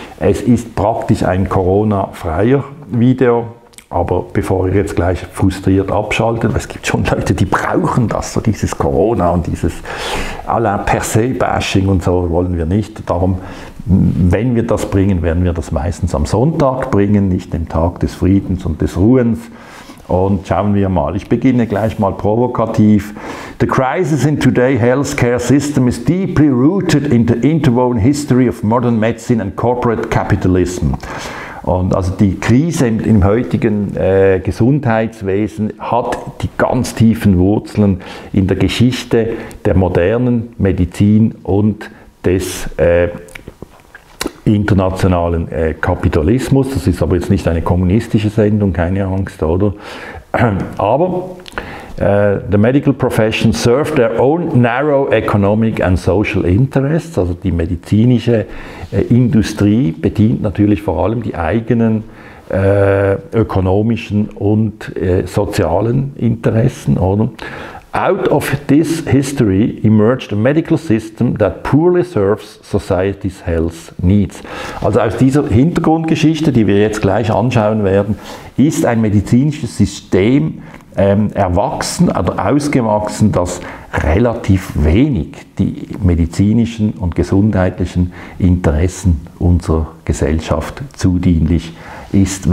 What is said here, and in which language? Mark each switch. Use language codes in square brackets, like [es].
[de] Es ist praktisch ein Corona-freier Video, aber bevor ihr jetzt gleich frustriert abschaltet, weil es gibt schon Leute, die brauchen das, so dieses Corona und dieses à la per se Bashing und so, wollen wir nicht. Darum, wenn wir das bringen, werden wir das meistens am Sonntag bringen, nicht dem Tag des Friedens und des Ruhens. Und schauen wir mal. Ich beginne gleich mal provokativ. [en] The crisis in today's healthcare system is deeply rooted in the interwoven history of modern medicine and corporate capitalism. [de] Und also die Krise im heutigen Gesundheitswesen hat die ganz tiefen Wurzeln in der Geschichte der modernen Medizin und des internationalen Kapitalismus. Das ist aber jetzt nicht eine kommunistische Sendung, keine Angst, oder? [en] Aber the medical profession served their own narrow economic and social interests. [de] Also die medizinische Industrie bedient natürlich vor allem die eigenen ökonomischen und sozialen Interessen, oder? [en] Out of this history emerged a medical system that poorly serves society's health needs. [de] Also aus dieser Hintergrundgeschichte, die wir jetzt gleich anschauen werden, ist ein medizinisches System erwachsen oder ausgewachsen, das relativ wenig die medizinischen und gesundheitlichen Interessen unserer Gesellschaft zudienlich ist.